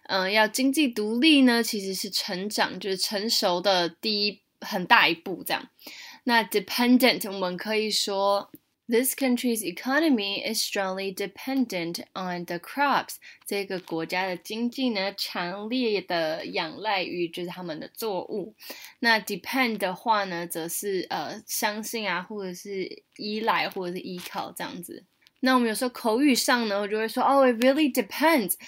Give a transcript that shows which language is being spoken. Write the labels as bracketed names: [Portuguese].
[Chinese] 要经济独立呢，其实是成长，就是成熟的第一很大一步这样。那 dependent 我们可以说。 [English] This country's economy is strongly dependent on the crops. [Chinese] 这个国家的经济呢，强烈的仰赖于就是他们的作物。那 depend 的话呢，则是相信啊，或者是依赖，或者是依靠这样子。那我们有时候口语上呢，我就会说，哦， it really depends.